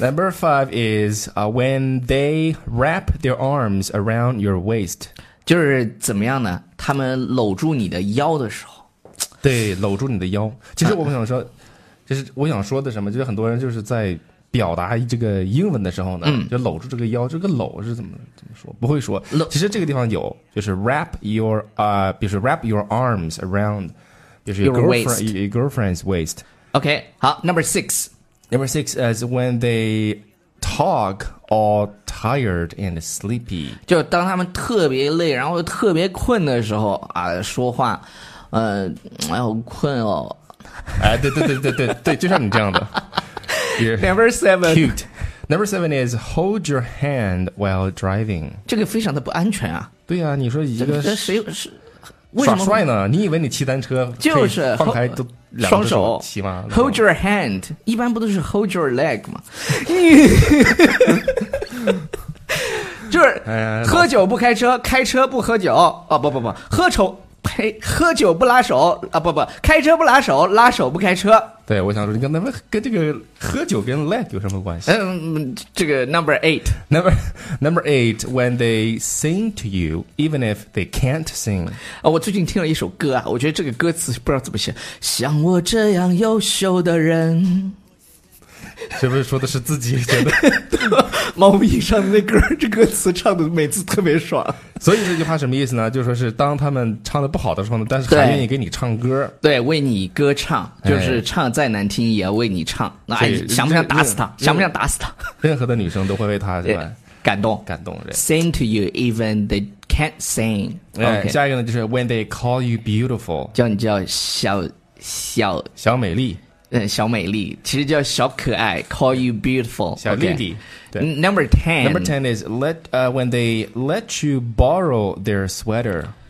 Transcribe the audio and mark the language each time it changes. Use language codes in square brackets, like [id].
[en] number five is when they wrap their arms around your waist。 [zh] 就是怎么样呢？他们搂住你的腰的时候，对，搂住你的腰。其实我想说，就是我想说的什么，就是很多人就是在表达这个英文的时候呢，就搂住这个腰，这个搂是怎么说？不会说。其实这个地方有，就是 wrap your 比如说 [en] wrap your arms around， [zh] 就是 [en] your girlfriend's waist。 OK， 好 ，number six， number six is when they talk all tired and sleepy， [zh] 就当他们特别累然后特别困的时候啊，说话哎好困哦，哎对对对对对对，就像你这样的。 [en] Number seven cute number seven is hold your hand while driving， [zh] 这个非常的不安全啊。对啊，你说一个谁耍帅呢，你以为你骑单车就是放开都双手骑吗？ [en] Hold your hand， [zh] 一般不都是 [en] hold your leg [zh] 吗？就是喝酒不开车，开车不喝酒。哦不不不，喝酒喝酒不拉手啊，不不，开车不拉手，拉手不开车。对，我想说，你跟那么跟这个喝酒跟 leg 有什么关系？这个 [en] number eight， number eight， when they sing to you， even if they can't sing。 [zh] 啊，我最近听了一首歌啊，我觉得这个歌词不知道怎么写，像我这样优秀的人。是不是说的是自己觉得毛不易唱的那歌，这歌词唱的每次特别爽。所以这句话什么意思呢？就是说是当他们唱的不好的时候呢，但是还愿意给你唱歌。对，为你歌唱，就是唱再难听也要为你唱。那、哎、想不想打死他？想不想打死他？任何的女生都会为他是吧？感动，感动。 [en] Sing to you even they can't sing、okay。 [zh] 下一个呢，就是 [en] when they call you beautiful， [zh] 叫小小小美丽。小美丽，其实叫小可爱 ， [en] call you beautiful， [zh] 小弟弟。 [en] Okay. Number ten， number ten is let when they let you borrow their sweater。